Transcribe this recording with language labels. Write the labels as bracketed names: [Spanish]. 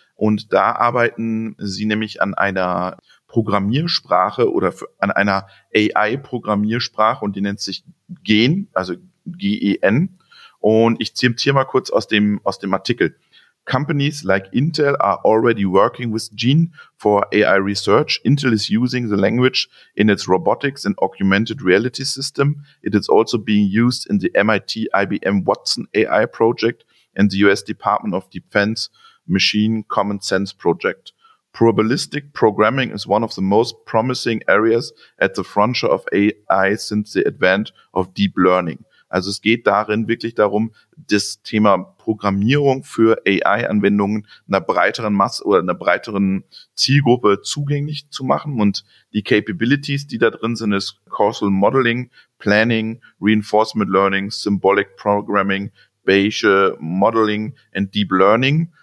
[German] Und da arbeiten sie nämlich an einer Programmiersprache oder an einer AI-Programmiersprache und die nennt sich GEN, also G-E-N. Und ich zitiere mal kurz aus dem Artikel. [English] Companies like Intel are already working with GEN for AI research. Intel is using the language in its robotics and augmented reality system. It is also being used in the MIT IBM Watson AI project and the US Department of Defense Machine Common Sense project. Probabilistic programming is one of the most promising areas at the frontier of AI since the advent of deep learning. [German] Also es geht darin wirklich darum, das Thema Programmierung für AI-Anwendungen einer breiteren Masse oder einer breiteren Zielgruppe zugänglich zu machen. Und die Capabilities, die da drin sind, ist Causal Modeling, Planning, Reinforcement Learning, Symbolic Programming, Bayesian Modeling and Deep Learning.